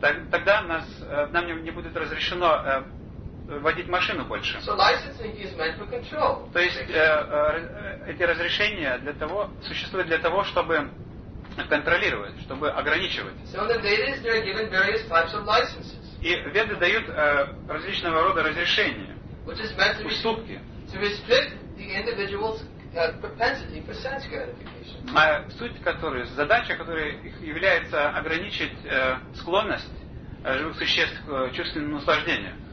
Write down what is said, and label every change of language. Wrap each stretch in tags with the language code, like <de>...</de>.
<ru>Тогда нам не будет разрешено водить машину больше.</ru> <en>So licensing is meant for control.</en> <ru>То есть эти разрешения существуют для того, чтобы контролировать, чтобы ограничивать.</ru> <en>So in the Vedas they are given various types of licenses.</en> <ru>И веды дают различного рода разрешения,</ru> <en>which is meant to</en> <ru>уступки.</ru> <en>To restrict the individual's propensity for sense gratification.</en> <ru>А суть которой, задача которой их является ограничить склонность живых существ к чувственному наслаждению.</ru>